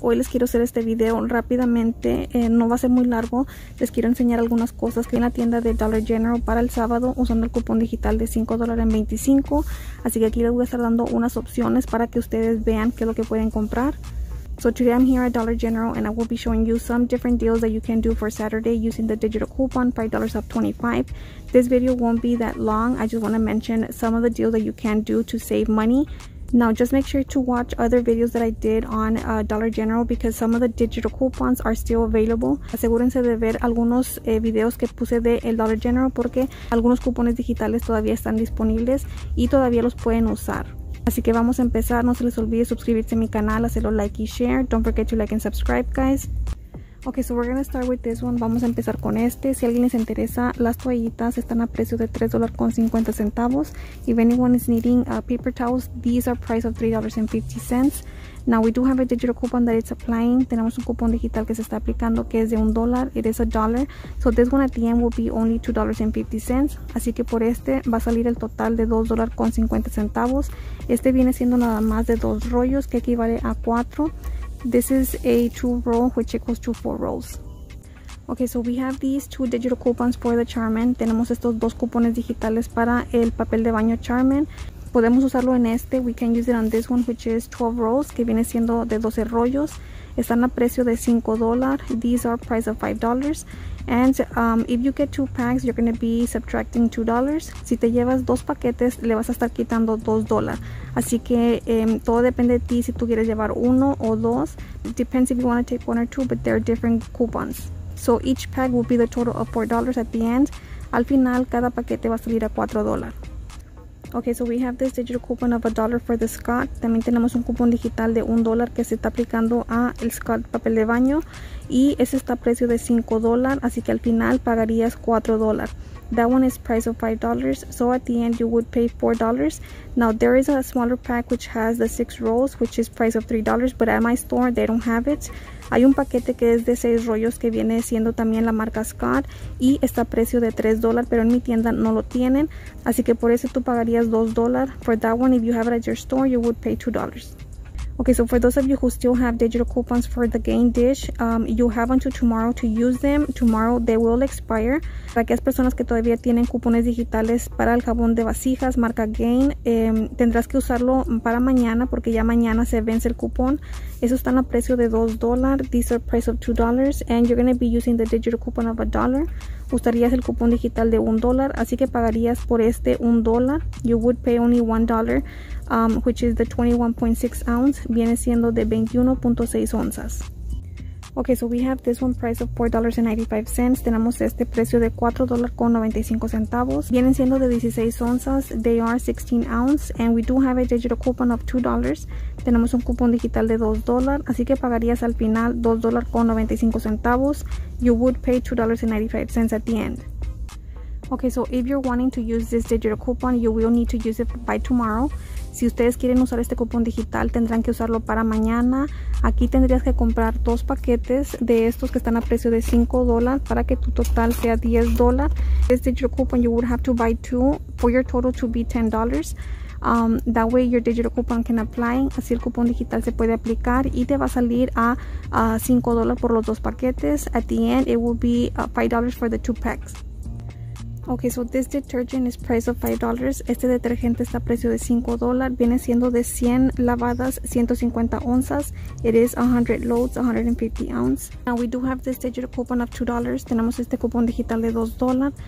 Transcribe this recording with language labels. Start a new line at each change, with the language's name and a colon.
Spanish: Hoy les quiero hacer este video rápidamente, no va a ser muy largo. Les quiero enseñar algunas cosas que hay en la tienda de Dollar General para el sábado usando el cupón digital de $5.25. Así que aquí les voy a estar dando unas opciones para que ustedes vean qué es lo que pueden comprar.
English: So today I'm here at Dollar General and I will be showing you some different deals that you can do for Saturday using the digital coupon $5 off $25. This video won't be that long. I just want to mention some of the deals that you can do to save money. Now just make sure to watch other videos that I did on Dollar General because some of the digital coupons are still available.
Spanish: Asegúrense de ver algunos videos que puse de el Dollar General porque algunos cupones digitales todavía están disponibles y todavía los pueden usar. Así que vamos a empezar. No se les olvide suscribirse a mi canal, hacerlo like y share.
English: Don't forget to like and subscribe, guys. Okay, so we're gonna start with this one.
Spanish: Vamos a empezar con este. Si alguien les interesa, las toallitas están a precio de $3.50.
English: If anyone is needing paper towels, these are priced at $3.50. Now we do have a digital coupon that it's applying.
Spanish: Tenemos un cupón digital que se está aplicando que es de un dólar.
English: It is a dollar. So this one at the end will be only $2.50.
Spanish: Así que por este va a salir el total de $2.50. Este viene siendo nada más de dos rollos que equivale a cuatro.
English: This is a two roll which equals to four rolls. Okay, so we have these two digital coupons for the Charmin.
Spanish: Tenemos estos dos cupones digitales para el papel de baño Charmin. Podemos usarlo en este.
English: We can use it on this one which is 12 rolls,
Spanish: que viene siendo de 12 rollos. Están a precio de $5.
English: These are price of $5. And if you get two packs, you're going to be subtracting $2.
Spanish: Si te llevas dos paquetes, le vas a estar quitando $2. Así que todo depende de ti si tú quieres llevar uno o dos.
English: It depends if you want to take one or two, but there are different coupons. So each pack will be the total of $4 at the end.
Spanish: Al final, cada paquete va a salir a $4.
English: Okay, so we have this digital coupon of $1 for the Scott.
Spanish: También tenemos un cupón digital de $1 que se está aplicando a el Scott papel de baño. Y ese está a precio de $5, así que al final pagarías $4.
English: That one is price of $5, so at the end you would pay $4. Now there is a smaller pack which has the 6 rolls, which is price of $3, but at my store they don't have it.
Spanish: Hay un paquete que es de 6 rollos que viene siendo también la marca Scott y está a precio de $3, pero en mi tienda no lo tienen. Así que por eso tú pagarías $2.
English: For that one, if you have it at your store, you would pay $2. Okay, so for those of you who still have digital coupons for the Gain Dish, you have until tomorrow to use them. Tomorrow they will expire.
Spanish: Para aquellas personas que todavía tienen cupones digitales para el jabón de vasijas marca Gain, tendrás que usarlo para mañana porque ya mañana se vence el cupón. Eso está a precio de $2.
English: These are price of $2 and you're going to be using the digital coupon of $1.
Spanish: Usarías el cupón digital de $1, así que pagarías por este $1.
English: You would pay only $1, which is the 21.6 ounce,
Spanish: viene siendo de 21.6 onzas.
English: Okay, so we have this one price of $4.95.
Spanish: Tenemos este precio de $4.95. Vienen siendo de 16 onzas.
English: They are 16 ounces. And we do have a digital coupon of $2.
Spanish: Tenemos un cupón digital de $2. Así que pagarías al final $2.95.
English: You would pay $2.95 at the end. Okay, so if you're wanting to use this digital coupon, you will need to use it by tomorrow.
Spanish: Si ustedes quieren usar este cupón digital, tendrán que usarlo para mañana. Aquí tendrías que comprar dos paquetes de estos que están a precio de $5 para que tu total sea $10.
English: This digital coupon, you would have to buy two for your total to be $10. That way your digital coupon can apply.
Spanish: Así el cupón digital se puede aplicar y te va a salir a $5 por los dos paquetes.
English: At the end, it will be $5 for the two packs. Okay, so this detergent is price of $5.
Spanish: Este detergente está a precio de $5. Viene siendo de 100 lavadas, 150 onzas.
English: It is 100 loads, 150 ounces. Now we do have this digital coupon of $2.
Spanish: Tenemos este cupón digital de $2.